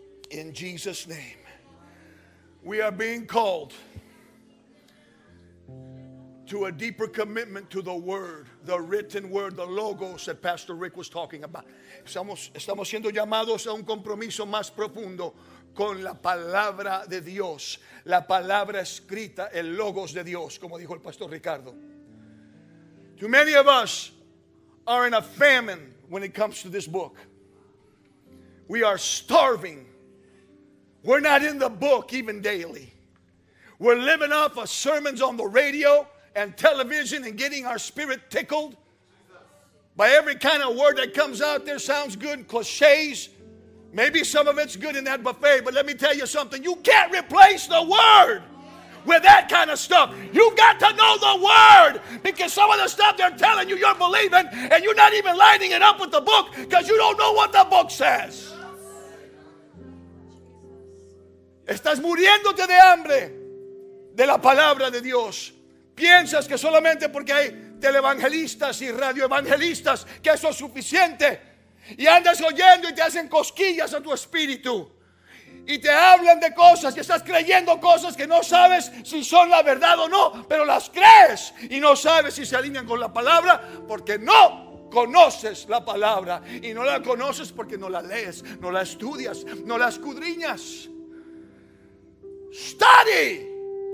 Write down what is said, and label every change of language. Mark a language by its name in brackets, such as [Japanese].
[English] In Jesus' name, we are being called to a deeper commitment to the word, the written word, the logos that Pastor Rick was talking about. [Spanish] Estamos siendo llamados a un compromiso más profundo con la palabra de Dios, la palabra escrita, el logos de Dios, como dijo el Pastor Ricardo. [English] Too many of us are in a famine when it comes to this book. We are starving. We're not in the book even daily. We're living off of sermons on the radio and television and getting our spirit tickled by every kind of word that comes out there. Sounds good, cliches. Maybe some of it's good in that buffet, but let me tell you something. You can't replace the word with that kind of stuff. You got to know the word, because some of the stuff they're telling you, you're believing and you're not even lining it up with the book because you don't know what the book says. [Spanish] Estás muriéndote de hambre de la palabra de Dios. Piensas que solamente porque hay televangelistas y radioevangelistas que eso es suficiente, y andas oyendo y te hacen cosquillas a tu espíritu y te hablan de cosas, que estás creyendo cosas que no sabes si son la verdad o no, pero las crees y no sabes si se alinean con la palabra, porque no conoces la palabra, y no la conoces porque no la lees, no la estudias, no la escudriñas. [English] Study